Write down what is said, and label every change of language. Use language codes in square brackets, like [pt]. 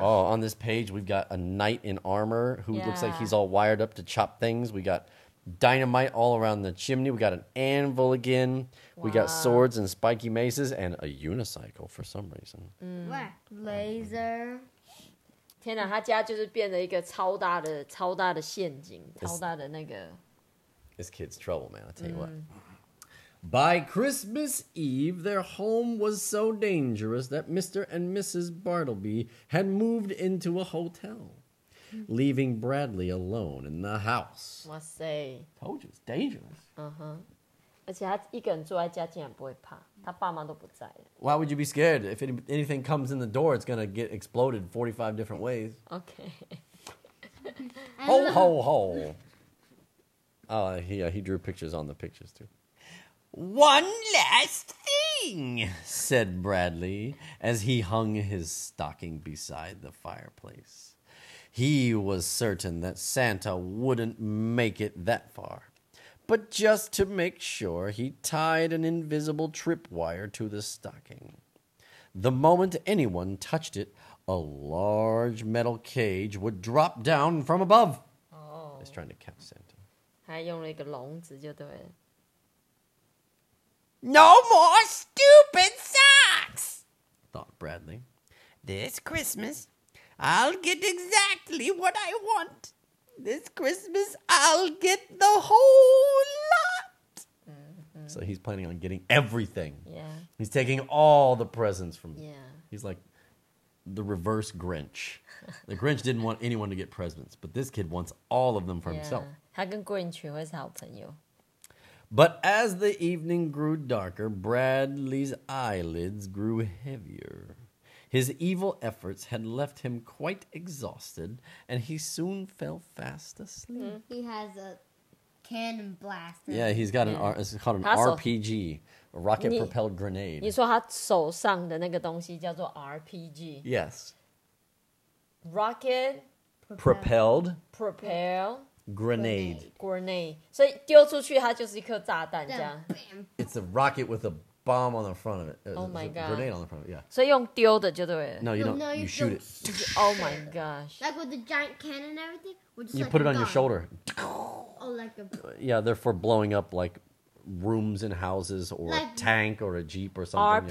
[en] Oh, on this page, we've got a knight in armor who looks like he's all wired up to chop things. We got dynamite all around the chimney. We got an anvil again. Wow. We got swords and spiky maces and a unicycle for some reason. Laser... [zh] 天哪,他家就是变了一个超大的陷阱,超大的那个... [en] This kid's trouble, man, I'll tell you what. By Christmas Eve, their home was so dangerous that Mr. and Mrs. Bartleby had moved into a hotel, leaving Bradley alone in the house. Wahsay. Told you, it's dangerous. Uh-huh. [zh] 而且他一个人住在家竟然不会怕。 [en] Why would you be scared? If anything comes in the door, it's going to get exploded 45 different ways. Okay. Ho, ho, ho. He drew pictures on the pictures, too. One last thing, said Bradley, as he hung his stocking beside the fireplace. He was certain that Santa wouldn't make it that far. But just to make sure, he tied an invisible tripwire to the stocking. The moment anyone touched it, a large metal cage would drop down from above. Oh. He's trying to catch Santa. [zh] 还用了一个笼子就对了。 [en] No more stupid socks, thought Bradley. This Christmas, I'll get exactly what I want. This Christmas, I'll get the whole lot. Mm-hmm. So he's planning on getting everything. Yeah. He's taking all the presents from... Yeah. He's like the reverse Grinch. The Grinch didn't want anyone to get presents, but this kid wants all of them for himself. [zh] 他跟Grinch会是好朋友。 [en] But as the evening grew darker, Bradley's eyelids grew heavier. His evil efforts had left him quite exhausted, and he soon fell fast asleep. Mm-hmm. He has a cannon blaster. Yeah, he's got it's called an RPG, a rocket-propelled grenade. [zh] 你说他手上的那个东西叫做 RPG? [en] Yes. Rocket-propelled grenade. [zh] So丢出去，它就是一颗炸弹，这样。It's [en] a rocket with a bomb on the front of it. Oh my god. Grenade on the front of it, yeah. [zh] 所以用丢的就对了。 [en] No, you don't. No, you shoot it. Oh my gosh. Like with the giant cannon and everything? You put it on your shoulder. Oh, like a... Yeah, they're for blowing up like rooms and houses or like a tank or a jeep or something.